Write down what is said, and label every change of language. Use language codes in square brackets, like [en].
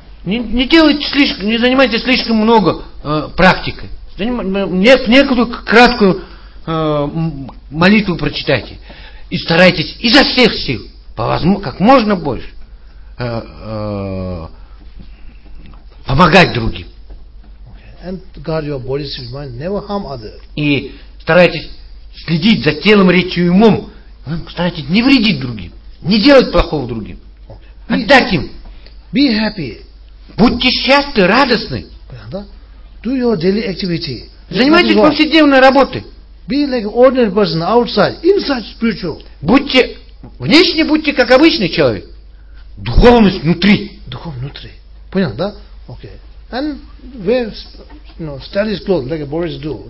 [ru] Не делайте слишком, не занимайте слишком много практикой. Некую краткую молитву прочитайте и старайтесь изо всех сил, как можно больше помогать другим. [en] And guard your body, mind, never harm others. [ru] И старайтесь следить за телом, речью и умом. Старайтесь не вредить другим, не делать плохого другим. Отдать им. [en] Be happy. [ru] Будьте счастливы, радостны. [en] Do your daily activity. [ru] Занимайтесь повседневной работой. [en] Be like an ordinary person outside, inside spiritual. [ru] Будьте внешне, будьте как обычный человек. Духовность внутри. Духов внутри. Понял, да? Okay. [en] And wear, you know, stylish clothes like a Boris do.